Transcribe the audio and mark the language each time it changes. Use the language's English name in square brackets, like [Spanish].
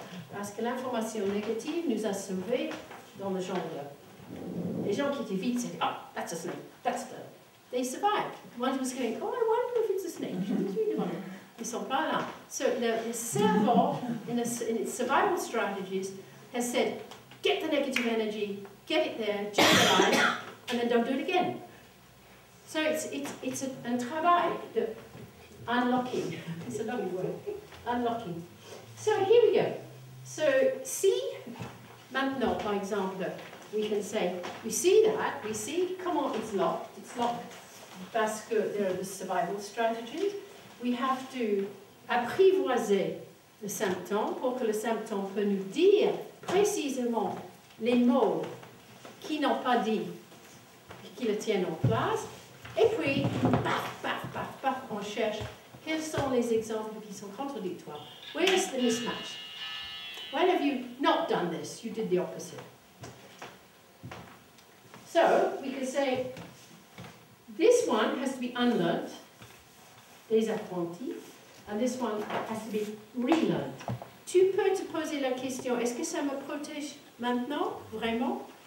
[French] Parce que l'information négative nous a sauvés dans le jungle. Les gens qui étaient vite, c'était, [English] oh, that's a snake, that's the... They survived. One was going, oh, I wonder if it's a snake. [French] Ils sont pas là. [English] So the cerveau, in its survival strategies, has said, get the negative energy, get it there, generalize, and then don't do it again. So it's [French] un travail de [English] unlocking. It's a lovely word. Unlocking. So here we go. So see, [French] maintenant, par exemple, [English] we can say, we see that, we see, come on, it's locked. It's locked. [French] Parce que [English] there are the survival strategies. We have to [French] apprivoiser le symptôme pour que le symptôme peut nous dire précisément les mots qui n'ont pas dit qui le tiennent en place. Et puis, paf, paf, paf, paf, on cherche quels sont les exemples qui sont contradictoires. [English] Where is the mismatch? When have you not done this? You did the opposite. So, we can say, this one has to be unlearned, [French] des apprentis, [English] and this one has to be relearned. [French] Tu peux te poser la question, est-ce que ça me protège maintenant, vraiment?